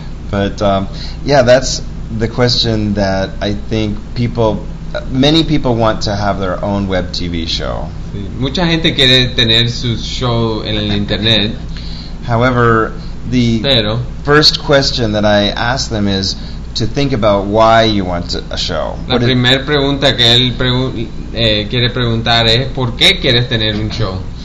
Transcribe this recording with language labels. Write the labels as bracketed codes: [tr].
[en] But yeah, that's the question that I think many people want to have their own web TV show. [es] Sí, mucha gente quiere tener su show en el internet. [en] However, the [es] Pero. [en] First question that I ask them is to think about why you want a show. [es] La primera pregunta que él quiere preguntar es, ¿por qué quieres tener un show?